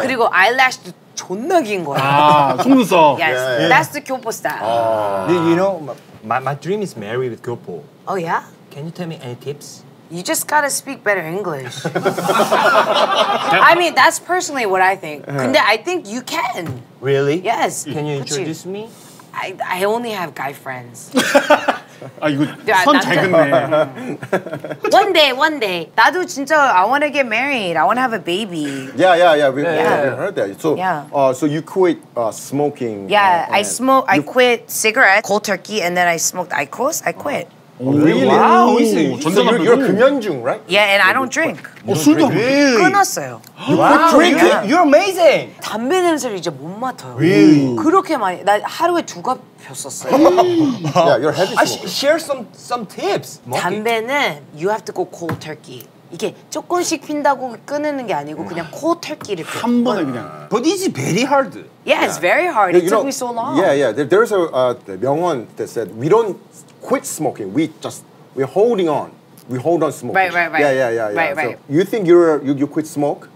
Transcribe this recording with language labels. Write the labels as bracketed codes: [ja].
[ko] 그리고 아이래쉬도 존나 긴 거야. 아, 속눈썹. [en] Yes, yeah, yeah. That's the 교포 style. You know, my dream is marry with 교포. Oh, yeah? Can you tell me any tips? You just gotta speak better English. I mean, that's personally what I think. 근데 I think you can. Really? Yes. Can you introduce me? I only have guy friends. [ko] 아 이거 야, 선 잘 긋네. [en] One day, one day. [ko] 나도 진짜 [en] I wanna get married. I wanna have a baby. Yeah, yeah, yeah. We heard that. So, so you quit smoking. Yeah, I smoke. I quit cigarette, cold turkey, and then I smoked IQOS. I quit. Oh, really? Wow. You're 금연중, right? Yeah, and I don't drink. [ko] 어, 술도 [en] really? [ko] 끊었어요. [en] You quit drinking? Yeah. You're amazing. [ko] 담배 냄새를 이제 못 맡아요. [en] Really? [ko] 그렇게 많이 나 하루에 두 갑 [en] yeah, your head is I share some tips. Smoking. 담배는 you have to go cold turkey. [ko] 이게 조금씩 핀다고 끊는 게 아니고 그냥 코어 털기를 한 번에 그냥. [en] But it's very hard. Yeah, it's very hard. It took me so long. Yeah, yeah. There's a 명언 that said we don't quit smoking. We're holding on. We hold on smoking. Right, right, right. Yeah, yeah, yeah, yeah. Right, right. So you think you quit smoke?